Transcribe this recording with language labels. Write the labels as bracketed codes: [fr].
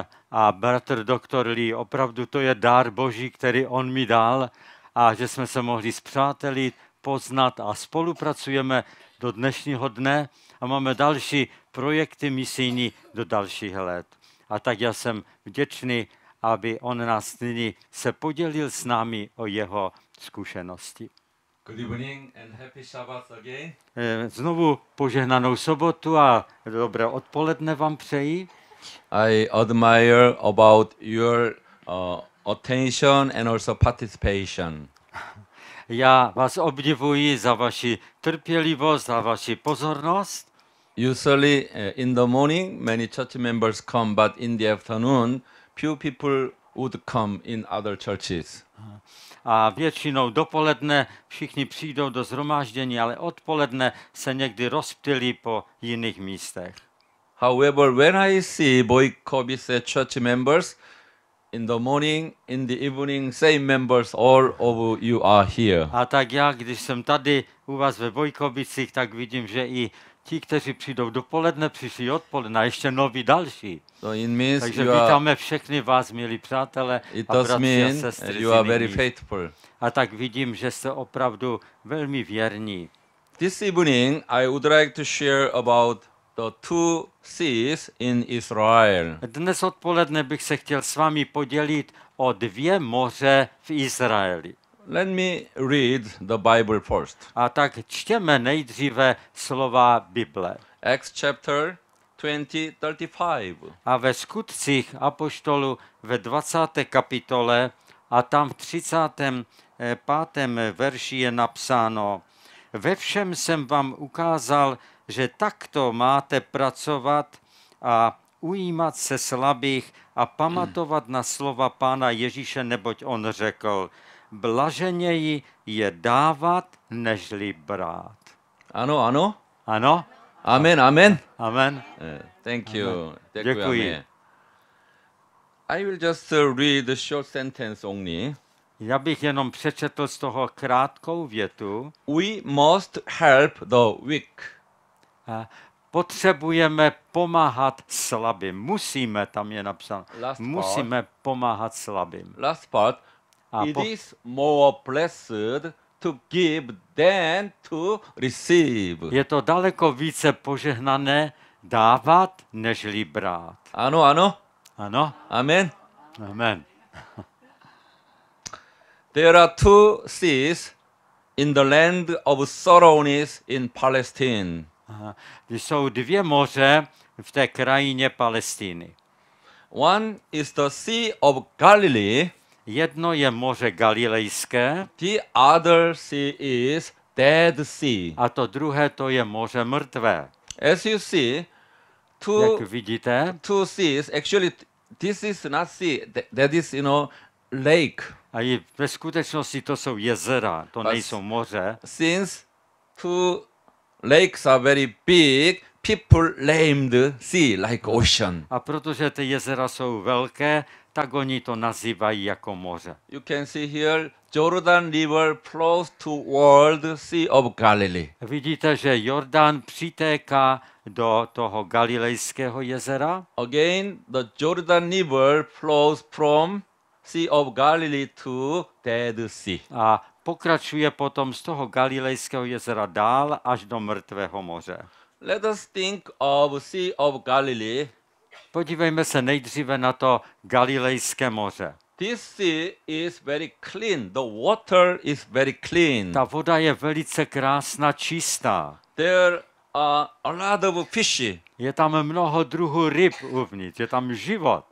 [cs] A bratr doktor Lee, opravdu to je dar Boží, který on mi dal, a že jsme se mohli spřátelit, poznat a spolupracujeme do dnešního dne a máme další projekty misijní do dalších let. A tak já jsem vděčný, aby on nás nyní se podělil s námi o jeho zkušenosti. [en] Good evening and happy Sabbath again. [cs] Znovu požehnanou sobotu a dobré odpoledne vám přeji. [en] I admire about your attention and also participation. [cs] Já vás obdivuji za vaši trpělivost, za vaši pozornost. [en] Usually in the morning many church members come, but in the afternoon few people would come in other churches. [cs] A většinou dopoledne všichni přijdou do shromáždění, ale odpoledne se někdy rozptýlí po jiných místech. [en] However, when I see Boikovice church members in the morning, in the evening, same members, all of you are here. [cs] A tak já, když jsem tady u vás ve Boikovicích, tak vidím, že i ti, kteří přijdou dopoledne, přišli odpoledne, a ještě noví další. [en] So it means [cs] takže vítáme všechny vás, milí přátelé a bratři a sestry. [en] You are very faithful. [cs] A tak vidím, že jste opravdu velmi věrní. [en] This evening, I would like to share about the two seas in Israel. [cs] Dnes odpoledne bych se chtěl s vámi podělit o dvě moře v Izraeli. [en] Let me read the Bible first. [cs] A tak čtěme nejdříve slova Bible. [en] Acts chapter 20:35. [cs] A ve Skutcích apoštolů ve 20. kapitole a tam v 35. verši je napsáno: Ve všem jsem vám ukázal, že takto máte pracovat a ujímat se slabých a pamatovat na slova Pána Ježíše, neboť on řekl, blaženěji je dávat, nežli brát. Ano, ano. Ano. Amen, amen. Amen. [en] Thank you. Amen. [cs] Děkuji. [en] I will just read a short sentence only. [cs] Já bych jenom přečetl z toho krátkou větu. [en] We must help the weak. [cs] Potřebujeme pomáhat slabým. Musíme, tam je napsáno. Musíme pomáhat slabým. [en] Last part. It is more blessed to give than to receive. [cs] Je to daleko více požehnané dávat, nežli brát. Ano, ano. Ano. Amen. Amen. [en] There are two seas in the land of sorrowness in Palestine. [cs] Aha. Jsou dvě moře v té krajině Palestiny. [en] One is the Sea of Galilee. [cs] Jedno je moře Galilejské. [en] The other sea is Dead Sea. [cs] A to druhé to je moře mrtvé. [en] As you see, two, [cs] jak vidíte, [en] two seas. Actually, this is not sea. That is, you know, lake. [cs] A i ve skutečnosti to jsou jezera. To but nejsou moře. [en] Since two lakes are very big, people named sea like ocean. [cs] A protože ty jezera jsou velké, tak oni to nazývají jako moře. [en] You can see here Jordan River flows toward the Sea of Galilee. [cs] Vidíte, že Jordan přitéká do toho Galilejského jezera? [en] Again, the Jordan River flows from Sea of Galilee to Dead Sea. [cs] A pokračuje potom z toho Galilejského jezera dál až do Mrtvého moře. [en] Let us think of Sea of Galilee. [cs] Podívejme se nejdříve na to Galilejské moře. [en] This sea is very clean. The water is very clean. [cs] Ta voda je velice krásná, čistá. [en] There are a lot of fish. [cs] Je tam mnoho druhů ryb uvnitř, je tam život.